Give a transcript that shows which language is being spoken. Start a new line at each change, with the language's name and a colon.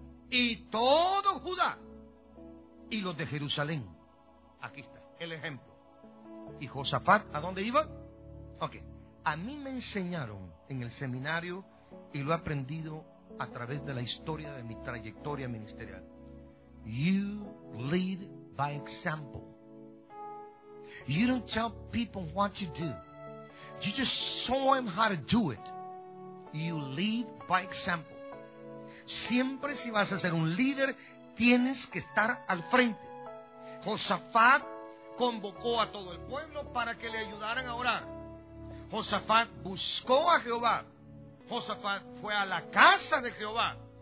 Spanish: Y todo Judá, y los de Jerusalén. Aquí está, el ejemplo. ¿Y Josafat a dónde iba? Ok, a mí me enseñaron en el seminario y lo he aprendido a través de la historia de mi trayectoria ministerial.
English: You lead by example. You don't tell people what to do. You just show them how to do it. You lead by example.
Spanish: Siempre si vas a ser un líder, tienes que estar al frente. Josafat convocó a todo el pueblo para que le ayudaran a orar. Josafat buscó a Jehová. Josafat fue a la casa de Jehová.